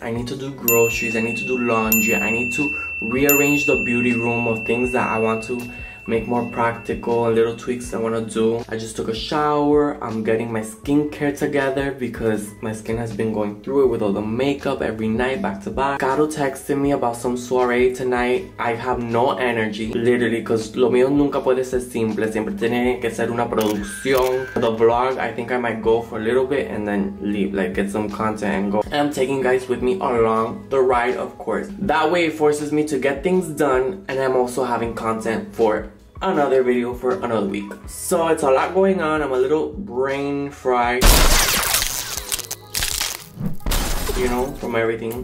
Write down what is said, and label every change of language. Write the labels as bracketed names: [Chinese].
[English] I need to do groceries. I need to do laundry. I need to rearrange the beauty room of things that I want to make more practical and little tweaks I want to do. I just took a shower. I'm getting my skincare together because my skin has been going through it with all the makeup every night back to back. Gato texted me about some soiree tonight. I have no energy, literally, because [Spanish] lo mío nunca puede ser simple. Siempre tiene que ser una producción. [English] The vlog, I think I might go for a little bit and then leave, like get some content and go. And I'm taking guys with me along the ride, of course. That way it forces me to get things done, and I'm also having content for another video for another week. So it's a lot going on. I'm a little brain fried, you know, from everything.